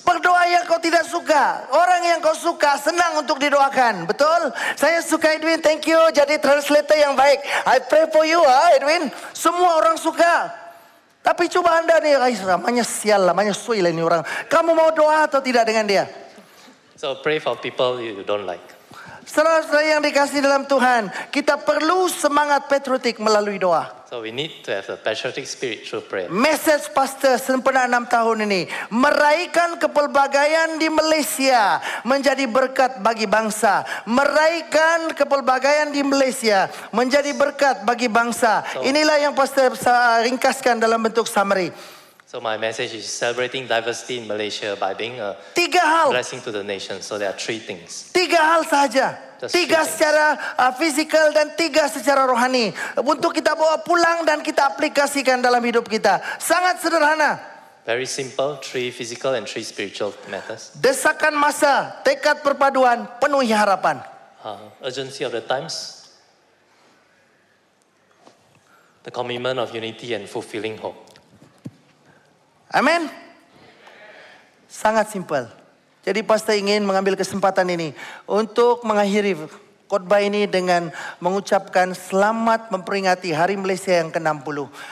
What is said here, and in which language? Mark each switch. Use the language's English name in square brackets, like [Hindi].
[Malay] Berdoa yang kau tidak suka. Orang yang kau suka senang untuk didoakan. Betul? Saya suka Edwin. [English] Thank you. [Malay] Jadi translator yang baik. [English] I pray for you, Edwin. [Malay] Semua orang suka. Tapi coba Anda nih, guys. Namanya sial, namanya sui lah ini orang. Kamu mau doa atau tidak dengan dia? [English] So pray for people you don't like. [Malay] Saudara-saudara yang dikasih dalam Tuhan, kita perlu semangat patriotik melalui doa. [English] So we need to have a patriotic spirit through prayer. [Malay] Message pastor sempena 6 tahun ini, meraihkan kepelbagaian di Malaysia menjadi berkat bagi bangsa. Meraihkan kepelbagaian di Malaysia menjadi berkat bagi bangsa. So, inilah yang pastor ringkaskan dalam bentuk summary. [English] So my message is celebrating diversity in Malaysia by being a [Malay] tiga hal. [English] Blessing to the nation. So there are three things. [Malay] Tiga hal saja. Tiga secara fisikal dan tiga secara rohani. Untuk kita bawa pulang dan kita aplikasikan dalam hidup kita. Sangat sederhana. [English] Very simple, three physical and three spiritual matters. [Malay] Desakan masa, tekad perpaduan, penuhi harapan. [English] Urgency of the times. The commitment of unity and fulfilling hope. [Malay] Amen. Sangat simple. Jadi pastor ingin mengambil kesempatan ini untuk mengakhiri khotbah ini dengan mengucapkan selamat memperingati Hari Malaysia yang ke-60.